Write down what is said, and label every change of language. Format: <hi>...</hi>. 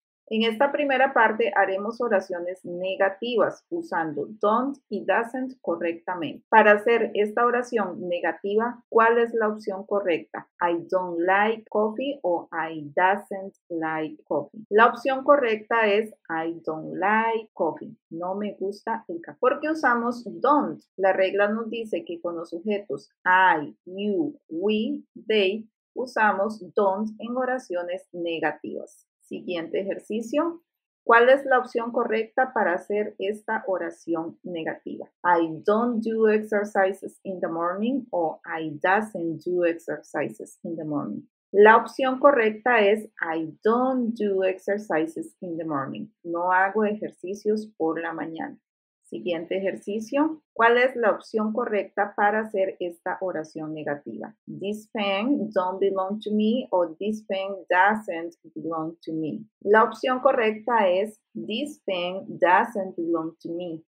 <es>En esta primera parte haremos oraciones negativas usando don't y doesn't correctamente. Para hacer esta oración negativa, ¿cuál es la opción correcta?</es> <en>I don't like coffee o I doesn't like coffee.</en> <es>La opción correcta es</es> <en>I don't like coffee.</en> <es>No me gusta el café. ¿Por qué usamos don't? La regla nos dice que con los sujetos I, you, we, they, usamos don't en oraciones negativas. Siguiente ejercicio. ¿Cuál es la opción correcta para hacer esta oración negativa?</es> <en>I don't do exercises in the morning o I doesn't do exercises in the morning.</en> <es>La opción correcta es</es> <en>I don't do exercises in the morning.</en> <es>No hago ejercicios por la mañana. Siguiente ejercicio. ¿Cuál es la opción correcta para hacer esta oración negativa?</es> <en>This pen don't belong to me o this pen doesn't belong to me.</en> <es>La opción correcta es</es> <en>this pen doesn't belong to me.</en>